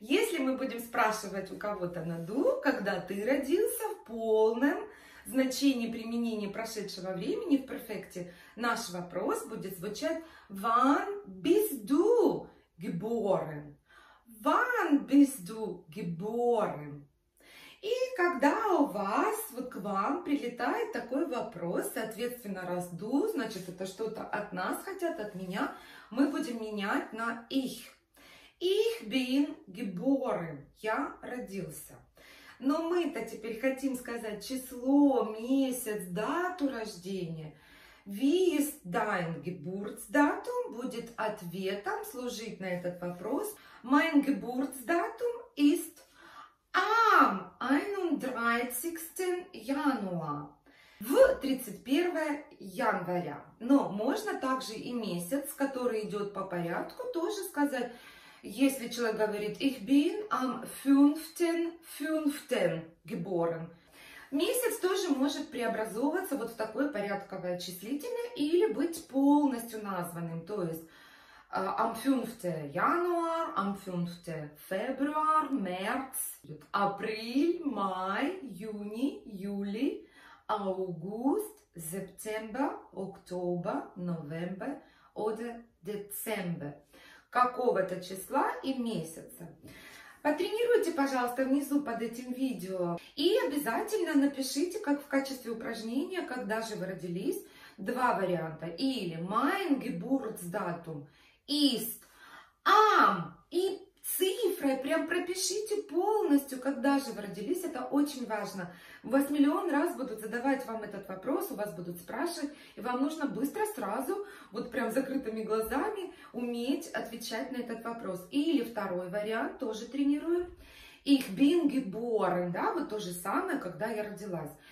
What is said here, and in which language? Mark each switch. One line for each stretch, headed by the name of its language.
Russian: Если мы будем спрашивать у кого-то на du, когда ты родился, в полном значение применения прошедшего времени в перфекте, наш вопрос будет звучать
German: «Wann bist du geboren?» «Wann bist du geboren?»
Russian: И когда у вас, вот к вам прилетает такой вопрос, соответственно, раз «du», значит, это что-то от нас хотят, от меня, мы будем менять на «ich».
German: «Ich bin geboren» –
Russian: «я родился». Но мы-то теперь хотим сказать число, месяц, дату рождения.
German: Wie ist dein Geburtsdatum
Russian: будет ответом служить на этот вопрос.
German: Mein Geburtsdatum ist am 31.
Russian: Januar. В 31 января. Но можно также и месяц, который идет по порядку, тоже сказать. Если человек говорит
German: «Ich bin am 15.05. geboren».
Russian: Месяц тоже может преобразовываться вот в такое порядковое числительное или быть полностью названным. То есть
German: «Am 15. Januar», «Am 15. Februar», «März», «Апрель», «Май», «Юни», «Юли», «Август», «September», «Октобер», «Новембер» или «Децембер».
Russian: Какого-то числа и месяца. Потренируйте, пожалуйста, внизу под этим видео. И обязательно напишите, как в качестве упражнения, когда же вы родились. Два варианта.
German: Или mein Geburtsdatum ist am.
Russian: И цифрой прям пропишите полностью, когда же вы родились. Это очень важно. У вас миллион раз будут задавать вам этот вопрос, у вас будут спрашивать, и вам нужно быстро сразу, вот прям закрытыми глазами, уметь отвечать на этот вопрос. Или второй вариант, тоже тренирую.
German: Ich bin geboren,
Russian: да, вот то же самое, когда я родилась.